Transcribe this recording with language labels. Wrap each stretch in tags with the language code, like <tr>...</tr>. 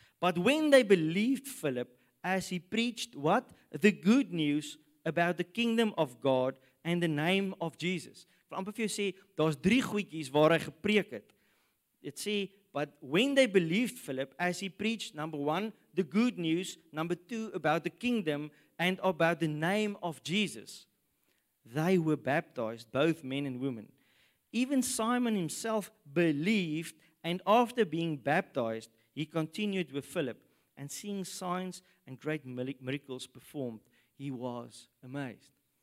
<en>But when they believed Philip as he preached what? The good news about the kingdom of God and the name of Jesus.</en> <af>Ek wil amper vir jou sê, daar's drie goedjies waar hy gepreek het. Dit sê,</af> <en>but when they believed Philip, as he preached, number one, the good news, number two, about the kingdom and about the name of Jesus, they were baptized, both men and women. Even Simon himself believed, and after being baptized, he continued with Philip, and seeing signs and great miracles performed, he was amazed.</en>